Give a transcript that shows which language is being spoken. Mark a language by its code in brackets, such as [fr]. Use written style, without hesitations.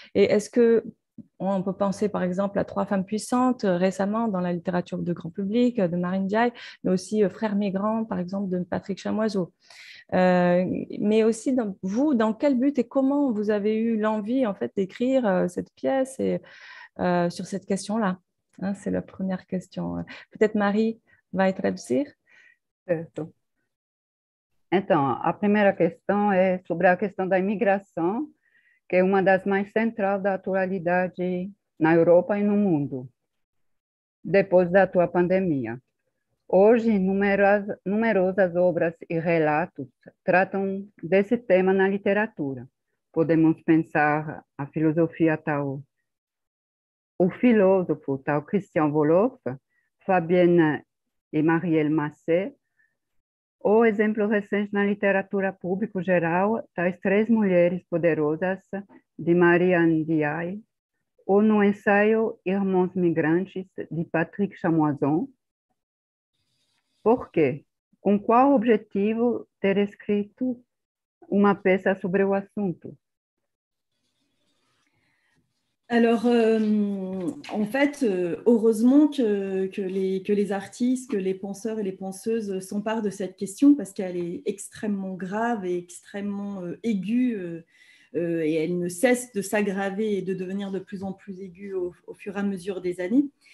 [fr] Et est-ce que on peut penser, par exemple, à Trois femmes puissantes récemment dans la littérature de grand public de Marine Diaye, mais aussi Frères migrants, par exemple, de Patrick Chamoiseau. Mais aussi, dans quel but et comment vous avez eu l'envie, en fait, d'écrire cette pièce et sur cette question-là? Hein, c'est la première question. Peut-être Marie va y traduire. [pt] Certo. Então, a primeira questão é sobre a questão da imigração, que é uma das mais centrais da atualidade na Europa e no mundo, depois da atual pandemia. Hoje, numerosas obras e relatos tratam desse tema na literatura. Podemos pensar a filosofia tal, o filósofo tal Christian Wolff, Fabienne e Marielle Massé, ou exemplo recente na literatura pública geral, tais Três Mulheres Poderosas, de Marianne Diaye, ou no ensaio Irmãos Migrantes, de Patrick Chamoison. Por quê? Com qual objetivo ter escrito uma peça sobre o assunto? [fr] Alors, en fait, heureusement que les artistes, que les penseurs et les penseuses s'emparent de cette question parce qu'elle est extrêmement grave et extrêmement aiguë et elle ne cesse de s'aggraver et de devenir de plus en plus aiguë au fur et à mesure des années.